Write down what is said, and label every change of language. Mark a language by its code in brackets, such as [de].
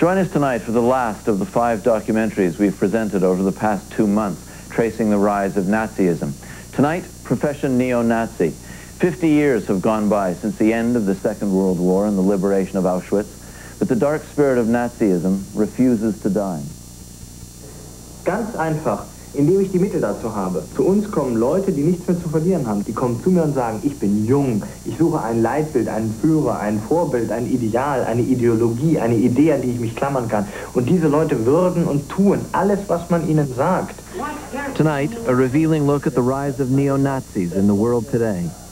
[en] Join us tonight for the last of the five documentaries we've presented over the past 2 months, tracing the rise of Nazism. Tonight, Profession Neo-Nazi. 50 years have gone by since the end of the Second World War and the liberation of Auschwitz, but the dark spirit of Nazism refuses to die. [de] Ganz einfach, indem ich die Mittel dazu habe. Zu uns kommen Leute, die nichts mehr zu verlieren haben. Die kommen zu mir und sagen, ich bin jung, ich suche ein Leitbild, einen Führer, ein Vorbild, ein Ideal, eine Ideologie, eine Idee, an die ich mich klammern kann. Und diese Leute würden und tun alles, was man ihnen sagt. [en] Tonight, a revealing look at the rise of neo-Nazis in the world today.